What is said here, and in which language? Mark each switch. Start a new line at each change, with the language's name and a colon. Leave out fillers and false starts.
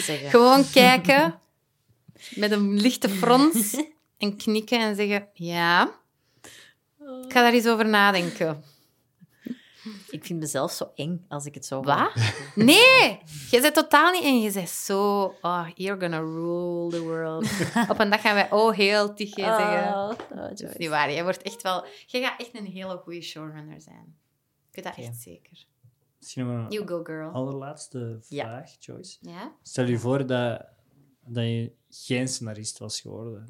Dutch: Gewoon kijken, met een lichte frons, en knikken en zeggen, ja, ik ga daar eens over nadenken. Ik vind mezelf zo eng als ik het zo... Wat? Nee! Je bent totaal niet eng. Je bent zo...
English: Oh, you're gonna rule the world.
Dutch: Op een dag gaan wij heel tig zeggen. Oh, Joyce. Niet waar. Jij wordt echt wel... Jij gaat echt een hele goede showrunner zijn. Ik weet dat echt zeker. Misschien maar...
English: You go, girl.
Dutch: Allerlaatste vraag, Joyce. Ja? Stel je voor dat je geen scenarist was geworden.